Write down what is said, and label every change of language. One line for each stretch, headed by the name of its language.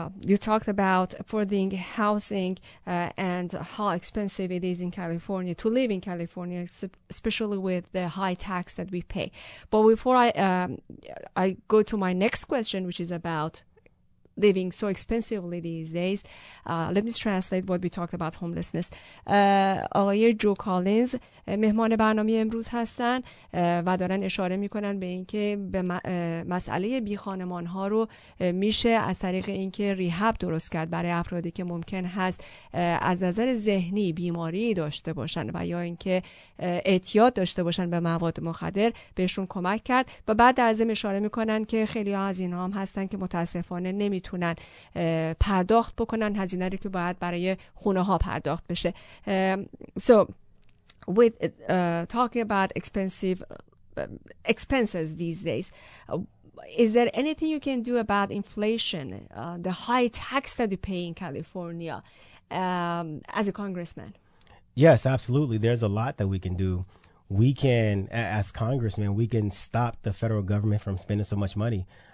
English: You talked about affording housing and how expensive it is in California to live in California, especially with the high tax that we pay. But before I go to my next question, which is about living so expensively these days, let me translate what we talked about homelessness.
Persian: آقای جو کالینز مهمان برنامه امروز هستن و دارن اشاره میکنن به اینکه به مسئله بی خانمان ها رو میشه از طریق اینکه ریهاب درست کرد برای افرادی که ممکن هست از نظر ذهنی بیماری داشته باشن و یا اینکه اعتیاد داشته باشن به مواد مخدر بهشون کمک کرد. و بعد در ضمن اشاره میکنن که خیلی ها از اینها هم هستن که متاسفانه نمی تونن پرداخت بکنن هزینه رو که باید برای خونه ها پرداخت بشه.
English: So with talking about expenses these days, is there anything you can do about inflation, the high tax that you pay in California as a congressman? Yes, absolutely. There's a lot that we can do. We can, as congressmen, we can stop the federal government from spending so much money.